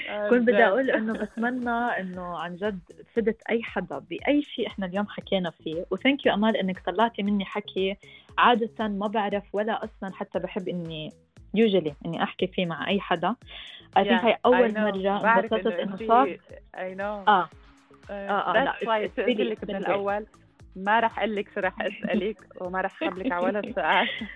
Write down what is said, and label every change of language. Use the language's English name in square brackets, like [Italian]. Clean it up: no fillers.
[Arabic] كنت بدي أقول إنه بتمنى إنه عن جد فدت أي حدا بأي شيء إحنا اليوم حكينا فيه. و [English] thank you [Arabic] أمال إنك طلعتي مني حكي عادة ما بعرف ولا أصلاً حتى بحب إني usually إني أحكي فيه مع أي حدا. [English] I think [Arabic] هاي أول مرة بسطت إنه صار. [English] I know. That's why it's really [Arabic] من الأول. ما رح قلك صراحة أسألك وما رح خبلك على ولا سؤال.